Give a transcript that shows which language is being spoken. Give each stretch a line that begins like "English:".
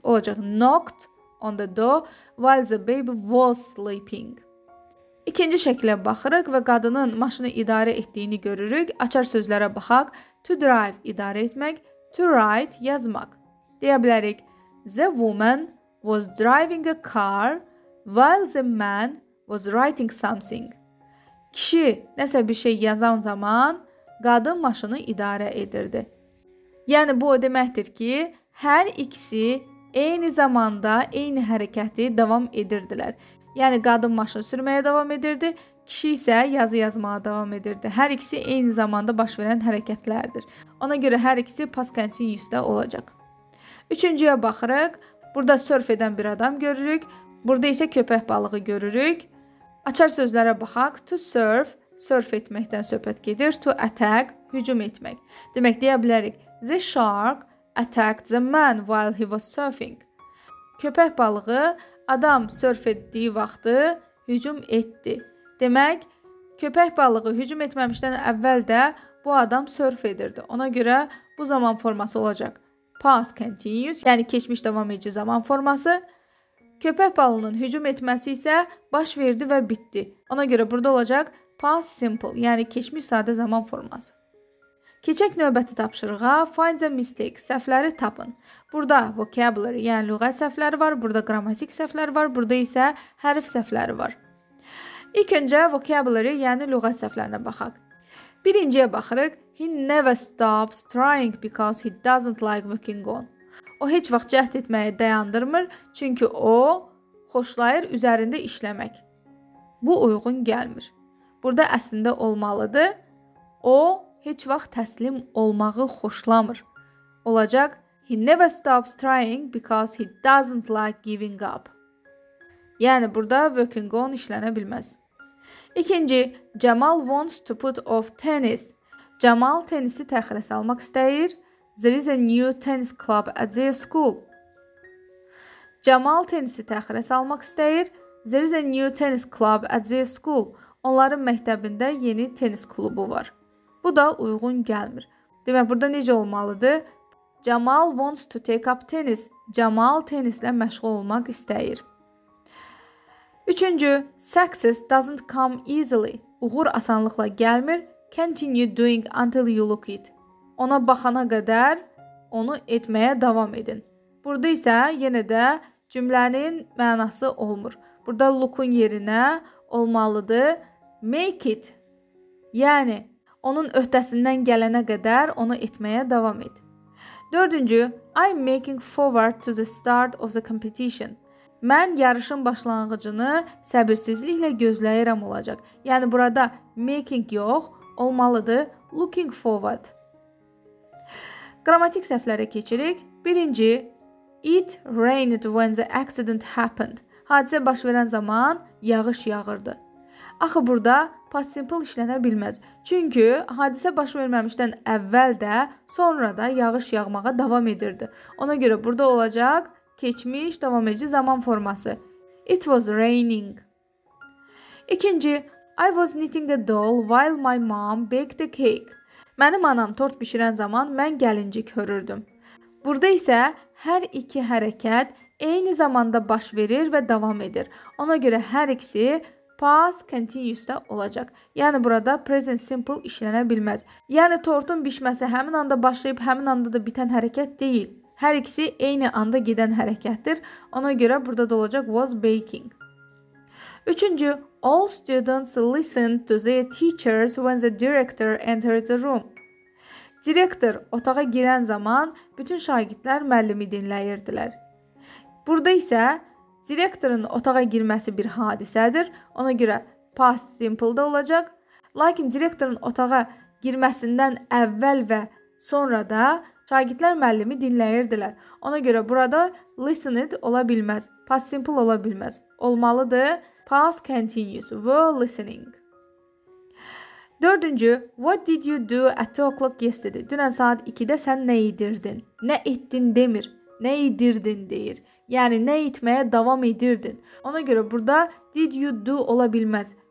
Azerbaijani: Olacaq
English: knocked on the door while the baby was sleeping.
Azerbaijani: İkinci şəklə baxırıq və qadının maşını idarə etdiyini görürük. Açar sözlərə baxaq.
English: To drive
Azerbaijani: idarə etmək,
English: to write
Azerbaijani: yazmaq. Deyə bilərik.
English: The woman was driving a car while the man was writing something.
Azerbaijani: Kişi nəsə bir şey yazan zaman qadın maşını idarə edirdi. Yəni bu o deməkdir ki, hər ikisi eyni zamanda eyni hərəkəti davam edirdilər. Yəni qadın maşın sürməyə davam edirdi, kişi isə yazı yazmağa davam edirdi. Hər ikisi eyni zamanda baş verən hərəkətlərdir. Ona görə hər ikisi past continuous-də olacaq. Üçüncüyə baxırıq. Burada surf edən bir adam görürük. Burada isə köpək balığı görürük. Açar sözlərə baxaq.
English: To surf,
Azerbaijani: surf etməkdən söhbət gedir.
English: To attack,
Azerbaijani: hücum etmək. Demək, deyə bilərik.
English: The shark attacked the man while he was surfing.
Azerbaijani: Köpək balığı adam surf etdiyi vaxtı hücum etdi. Demək, köpək balığı hücum etməmişdən əvvəl də bu adam surf edirdi. Ona görə bu zaman forması olacaq. Past continuous, yəni keçmiş davam edici zaman forması. Köpək balığının hücum etməsi isə baş verdi və bitdi. Ona görə burada olacaq past simple, yəni keçmiş sadə zaman forması. Keçək növbəti tapşırığa,
English: find the mistake,
Azerbaijani: səhvləri tapın. Burada vocabulary, yəni lüğət səhvləri var, burada qrammatik səhvləri var, burada isə hərf səhvləri var. İlk öncə vocabulary, yəni lüğət səhvlərinə baxaq. Birinciyə baxırıq,
English: he never stops trying because he doesn't like working on.
Azerbaijani: O, heç vaxt cəhd etməyi dayandırmır, çünki o, xoşlayır üzərində işləmək. Bu, uyğun gəlmir. Burada əslində olmalıdır, o, heç vaxt təslim olmağı xoşlamır. Olacaq,
English: he never stops trying because he doesn't like giving up.
Azerbaijani: Yəni, burada
English: working on
Azerbaijani: işlənə bilməz. İkinci,
English: Cemal wants to put off tennis.
Azerbaijani: Cemal tenisi təxirə salmaq istəyir.
English: There is a new tennis club at the school.
Azerbaijani: Cemal tenisi təxirə salmaq istəyir.
English: There is a new tennis club at the school.
Azerbaijani: Onların məktəbində yeni tenis klubu var. Bu da uyğun gəlmir. Demək, burada necə olmalıdır?
English: Cemal wants to take up tennis.
Azerbaijani: Cemal tenislə məşğul olmaq istəyir. Üçüncü,
English: success doesn't come easily.
Azerbaijani: Uğur asanlıqla gəlmir.
English: Continue doing until you look it.
Azerbaijani: Ona baxana qədər onu etməyə davam edin. Burada isə yenə də cümlənin mənası olmur. Burada look-un yerinə olmalıdır.
English: Make it.
Azerbaijani: Yəni, onun öhdəsindən gələnə qədər onu etməyə davam et. Dördüncü,
English: I'm making forward to the start of the competition.
Azerbaijani: Mən yarışın başlanğıcını səbirsizliklə gözləyirəm olacaq. Yəni, burada making yox, olmalıdır
English: looking forward.
Azerbaijani: Qrammatik səhvlərə keçirik. Birinci,
English: it rained when the accident happened.
Azerbaijani: Hadisə baş verən zaman yağış yağırdı. Axı, burada past simple işlənə bilməz. Çünki hadisə baş verməmişdən əvvəl də sonra da yağış yağmağa davam edirdi. Ona görə burada olacaq keçmiş davam edici zaman forması.
English: It was raining.
Azerbaijani: İkinci,
English: I was knitting a doll while my mom baked a cake.
Azerbaijani: Mənim anam tort bişirən zaman mən gəlincik hörürdüm. Burada isə hər iki hərəkət eyni zamanda baş verir və davam edir. Ona görə hər ikisi past continuous-də olacaq. Yəni, burada present simple işlənə bilməz. Yəni, tortun bişməsi həmin anda başlayıb, həmin anda da bitən hərəkət deyil. Hər ikisi eyni anda gedən hərəkətdir. Ona görə burada da olacaq
English: was baking.
Azerbaijani: Üçüncü,
English: all students listened to their teachers when the director entered the room.
Azerbaijani: Direktor otağa girən zaman bütün şagirdlər müəllimi dinləyirdilər. Burada isə direktorun otağa girməsi bir hadisədir. Ona görə past simple-də olacaq. Lakin direktorun otağa girməsindən əvvəl və sonra da şagirdlər müəllimi dinləyirdilər. Ona görə burada listened ola bilməz. Past simple ola bilməz. Olmalıdır past continuous.
English: Were listening.
Azerbaijani: Dördüncü,
English: what did you do at 2 o'clock yesterday?
Azerbaijani: Dünən saat 2-də sən nə edirdin? Nə etdin demir. Nə edirdin deyir. Yəni, nə etməyə davam edirdin? Ona görə burada
English: did you do
Azerbaijani: ola bilməz.